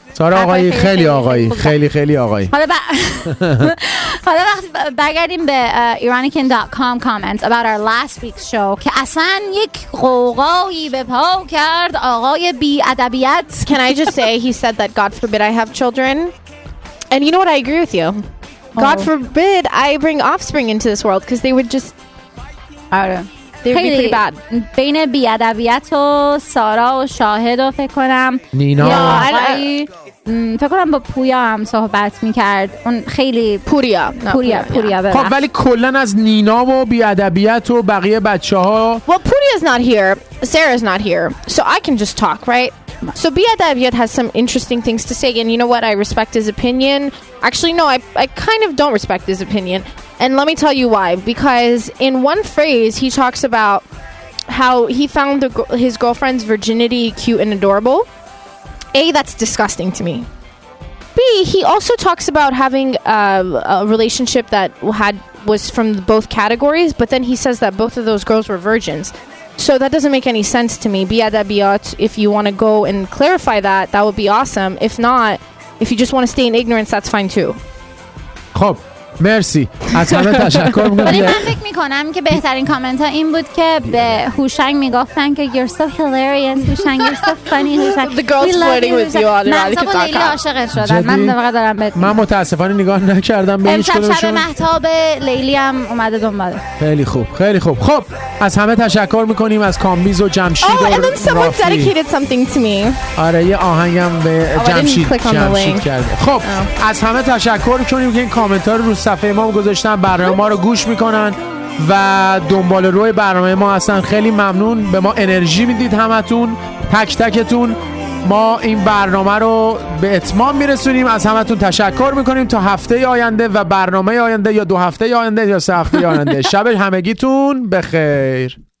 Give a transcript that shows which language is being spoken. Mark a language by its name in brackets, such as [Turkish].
[Persian] سارا آقایی خیلی آقایی خیلی خیلی آقایی. حالا وقتی برگردیم به Euronican.com [English] comments about our last week's show [Persian] که اصلا یک غوغایی به پا کرد آقای بی ادبیت. [English] Can I just say he said that God forbid I have children. And you know what, I agree with you. God forbid I bring offspring into this world because they would just [Persian] خیلی بد. بین بی ادبیت و سارا و شاهد و فکر کنم نینا [English] yeah, I, [Persian] فکر کنم با پویا هم صحبت میکرد. اون خیلی پوریا. خب ولی کلا از نینا و بی ادبیت و بقیه بچه‌ها. [English] Well, Puriya's not here. Sarah's not here. So I can just talk, right? So Bi Adabiyat has some interesting things to say, and you know what? I respect his opinion. Actually, no, I kind of don't respect his opinion. And let me tell you why. Because in one phrase, he talks about how he found his girlfriend's virginity cute and adorable. A, that's disgusting to me. B, he also talks about having a relationship that was from both categories, but then he says that both of those girls were virgins. So that doesn't make any sense to me. Bi Adabiyat, if you want to go and clarify that, that would be awesome. If not, if you just want to stay in ignorance, that's fine too. [Persian] خب مرسی. از همه تشکر می‌کنم. ولی من فکر می‌کنم که بهترین کامنت‌ها این بود که به هوشنگ میگفتن که [English] you're so hilarious, [Persian] هوشنگ [English] you're so funny, [Persian] هوشنگ. The girls flirting with you on Radical.com. من عاشق شدم. من واقعا دارم بهت. من متأسفانه نگاه نکردم به هیچ کدومشون. امشب مهتاب لیلی هم اومده دنبال. خیلی خوب. خیلی خوب. خب از همه تشکر می‌کنیم از کامبیز و جمشید. [English] Oh, and then someone dedicated something to me. [Persian] آره یه آهنگم به جمشید کرد. خب از همه تشکر می‌کنیم که این کامنت‌ها رو صفحه ما گذاشتن، برنامه ما رو گوش میکنن و دنبال روی برنامه ما هستن. خیلی ممنون، به ما انرژی میدید همتون، تک تکتون. ما این برنامه رو به اتمام میرسونیم. از همتون تشکر میکنیم تا هفته آینده و برنامه آینده، یا دو هفته آینده یا سه هفته آینده. شب همگیتون بخیر.